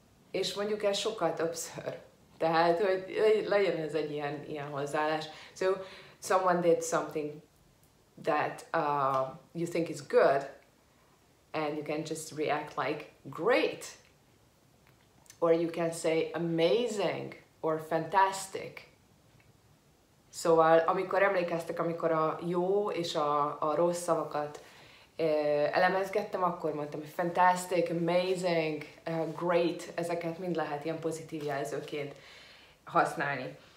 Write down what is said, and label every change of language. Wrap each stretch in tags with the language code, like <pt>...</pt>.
<hu>És mondjuk ez sokkal többször. Tehát, hogy legyen ez egy ilyen hozzáállás.</hu> <en>So, someone did something that you think is good, and you can just react like, great! Or you can say amazing, or fantastic.</en> <hu>Szóval, amikor emlékeztek, amikor a jó és a rossz szavakat elemezgettem, akkor mondtam, hogy fantastic, amazing, great, ezeket mind lehet ilyen pozitív jelzőként használni.</hu>